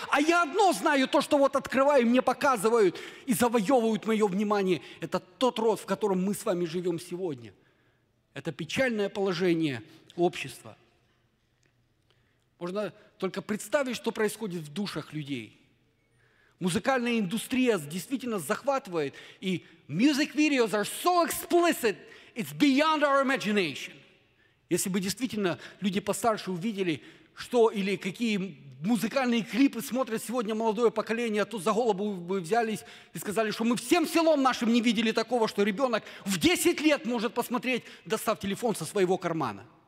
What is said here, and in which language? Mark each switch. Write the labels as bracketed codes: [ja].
[ru] А я одно знаю, то, что вот открываю, мне показывают и завоевывают мое внимание. Это тот род, в котором мы с вами живем сегодня. Это печальное положение общества. Можно только представить, что происходит в душах людей. Музыкальная индустрия действительно захватывает. И [en] music videos are so explicit, it's beyond our imagination. [ru] Если бы действительно люди постарше увидели, что или какие музыкальные клипы смотрят сегодня молодое поколение, то за голову бы взялись и сказали, что мы всем селом нашим не видели такого, что ребенок в 10 лет может посмотреть, достав телефон со своего кармана.